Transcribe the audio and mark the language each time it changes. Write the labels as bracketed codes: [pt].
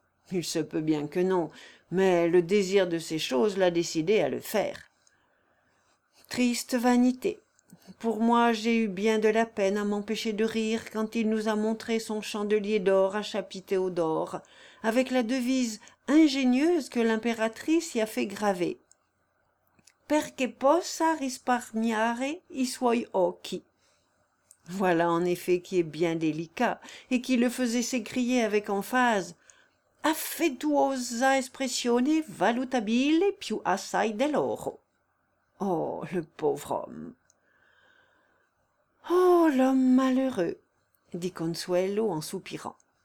[fr] Il se peut bien que non, mais le désir de ces choses l'a décidé à le faire. Triste vanité. Pour moi, j'ai eu bien de la peine à m'empêcher de rire quand il nous a montré son chandelier d'or à chapiteau d'or, avec la devise ingénieuse que l'impératrice y a fait graver. [it] Perque possa risparmiare i suoi occhi. [fr] Voilà en effet qui est bien délicat et qui le faisait s'écrier avec emphase « [it] Affettuosa espressione valutabile più assai dell'oro. [fr] » Oh, le pauvre homme! « Oh, l'homme malheureux !» dit Consuelo en soupirant.